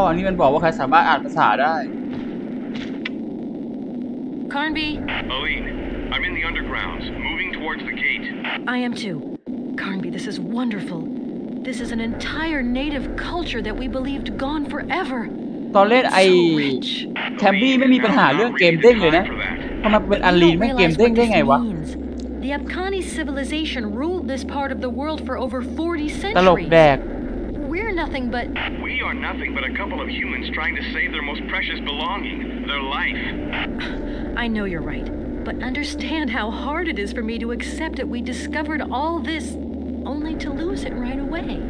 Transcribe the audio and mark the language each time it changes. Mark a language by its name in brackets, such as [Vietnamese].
[Thai] มันบอกว่าใครสามารถอ่านภาษาได้ Carnby [English] Aline I'm in the undergrounds moving towards the gate I am too Carnby this is wonderful This is an entire native culture that we believed gone forever [Thai] ตอนเล่นไอ้ Carnby ไม่มีปัญหาเรื่องเกมเด้งเลยนะทำไมเป็น Aline ไม่เกมเด้งได้ไงวะ [English] The Abkhani civilization ruled this part of the world for over 40 centuries [Thai] ตลกแดก [English] We are nothing but a couple of humans trying to save their most precious belonging, their life. I know you're right, but understand how hard it is for me to accept that we discovered all this, only to lose it right away.